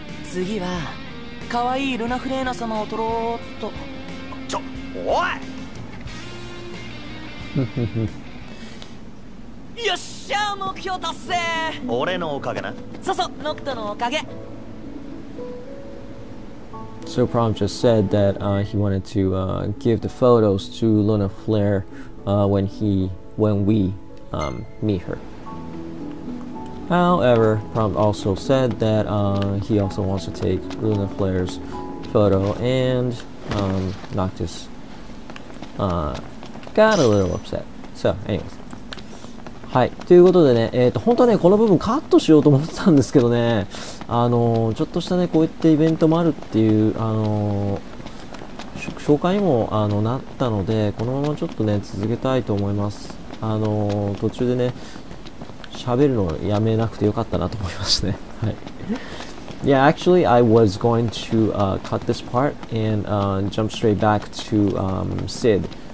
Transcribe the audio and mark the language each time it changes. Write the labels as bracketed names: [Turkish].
[Japanese] 次はかわいいルナフレーナ様を取ろうっと。ちょ、おい。よっしゃ、目標達成。俺のおかげな。そうそう、ノクトのおかげ。 [English] So Prom just said that he wanted to give the photos to Luna Flair when we meet her. However, Prom also said that he also wants to take Luna Flair's photo, and Noctis got a little upset. So, anyways. [Japanese] はい、ということでね、本当はね、この部分カットしようと思ってたんですけどね、ちょっとしたね、こういったイベントもあるっていう、紹介も、なったので、このままちょっとね、続けたいと思います。途中でね、喋るのやめなくてよかったなと思いましたね。はい。 [English] Yeah, actually, I was going to, cut this part and, jump straight back to, Sid.